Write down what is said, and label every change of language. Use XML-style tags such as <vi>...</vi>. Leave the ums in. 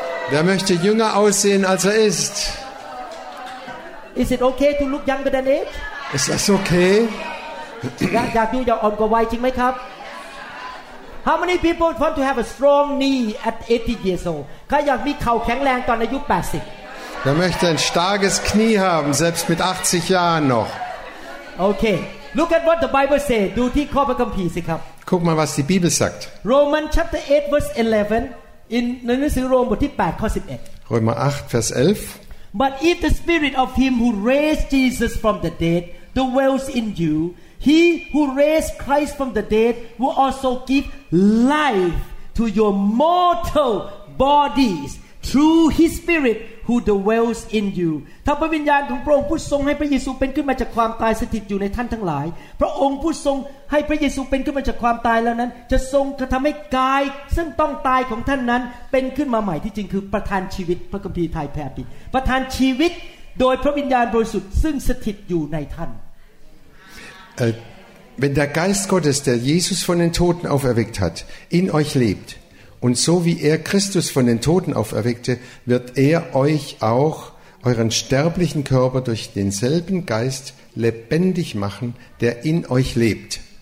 <de>Wer möchte jünger aussehen, als er ist?</de> <en>Is it okay to look younger than age? Is that okay?</en> <th>อยากอยากดูอยากอ่อนกว่าวัยจริงไหมครับ</th> <en>How many people want to have a strong knee at 80 years old?</en> <th>ใครอยากมีเข่าแข็งแรงตอนอายุ</th> <de>80 Wer möchte ein starkes Knie haben, selbst mit 80 Jahren noch?</de> <en>Okay. Look at what the Bible says. Do the copy of the Bible.</en> <de>Guck mal, was die Bibel sagt.</de> <en>Romans 8, 8 Vers 11 in the New Testament, Romans 8 11. But if the spirit of him who raised Jesus from the dead dwells in you, he who raised Christ from the dead will also give life to your mortal bodies through his spirit who dwells in you</en> <th>ถ้าพระวิญญาณของพระองค์ผู้ทรงให้พระเยซูเป็นขึ้นมาจากความตายสถิตอยู่ในท่านทั้งหลายพระองค์ผู้ทรง ให้พระเยซูเป็นขึ้นมาจากความตายแล้วนั้น จะทรงกระทำให้กาย ซึ่งต้องตายของท่านนั้นเป็นขึ้นมาใหม่ที่จริงคือประทานชีวิตพระคัมภีร์ไทยแผ่ดินประทานชีวิตโดยพระวิญญาณบริสุทธิ์ซึ่งสถิตอยู่ในท่าน</th> <de>Wenn der Geist Gottes, der Jesus von den Toten auferweckt hat, in euch lebt, Und so wie er Christus von den Toten auferweckte, wird er euch auch euren sterblichen Körper durch denselben Geist lebendig machen, der in euch lebt.</de>